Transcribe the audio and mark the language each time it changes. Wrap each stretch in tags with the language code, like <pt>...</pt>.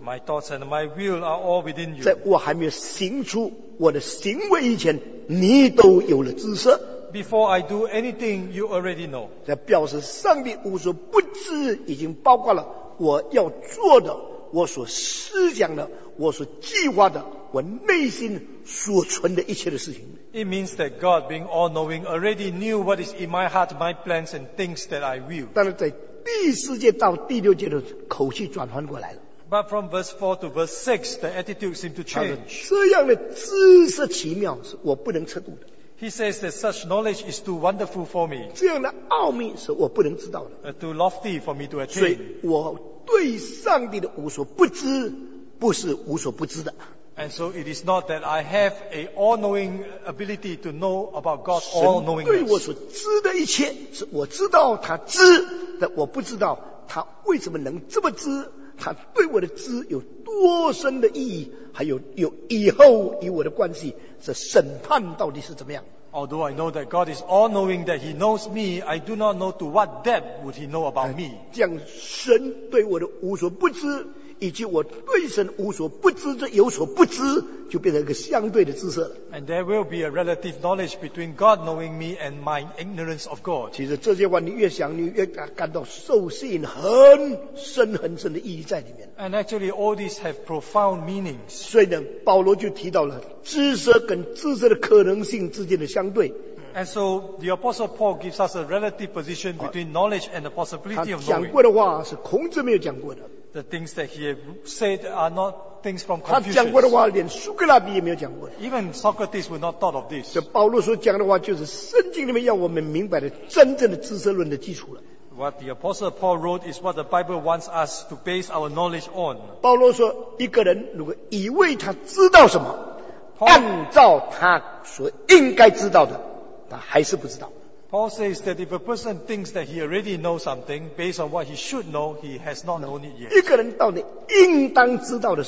<en>My thoughts and my will are all within you.</en> <zh>在我还没有行出我的行为以前，你都有了知识。</zh> <en>Before I do anything, you already know.</en> <zh>这表示上帝无所不知，已经包括了我要做的，我所思想的，我所计划的，我内心所存的一切的事情。</zh> <en>It means that God, being all-knowing, already knew what is in my heart, my plans and things that I will.</en> <zh>但是在第四节到第六节的口气转换过来了。</zh> <en>But from verse 4 to verse 6, the attitude seemed to change.</en> <zh>这样的知识奇妙是我不能测度的。</zh> <en>He says that such knowledge is too wonderful for me.</en> <zh>这样的奥秘是我不能知道的。</zh> <en>Too lofty for me to attain.</en> <zh>所以我对上帝的无所不知不是无所不知的。</zh> <en>And so it is not that I have an all-knowing ability to know about God's all-knowingness.</en> <zh>神对我所知的一切是我知道他知，但我不知道他为什么能这么知，他对我的知有多深的意义，还有以后与我的关系，这审判到底是怎么样。</zh> <en>Although I know that God is all knowing that he knows me, I do not know to what depth would he know about me.</en> <zh>这样神对我的无所不知以及我对神无所不知的有所不知，就变成一个相对的知识了。</zh> <en>And there will be a relative knowledge between God knowing me and my ignorance of God.</en> <zh>其实这些话你越想，你越感到受吸引，很深很深的意义在里面。</zh> <en>And actually, all these have profound meanings.</en> <zh>所以呢，保罗就提到了知识跟知识的可能性之间的相对。</zh> <en>And so the Apostle Paul gives us a relative position between knowledge and the possibility of knowing.</en> <zh>他讲过的话是孔子没有讲过的。</zh> <en>The things that he said are not things from Confucius.</en> <zh>他讲过的话连苏格拉底也没有讲过的。</zh> <en>Even Socrates would not thought of this.</en> <zh>这保罗所讲的话就是圣经里面要我们明白的真正的知识论的基础了。</zh> <en>What the Apostle Paul wrote is what the Bible wants us to base our knowledge on.</en> <zh>保罗说一个人如果以为他知道什么 Paul, 按照他所应该知道的他还是不知道。</zh> <en>Paul says that if a person thinks that he already knows something based on what he should know, he has not known it yet.</en> <zh>一个人到底应当知道的是</zh>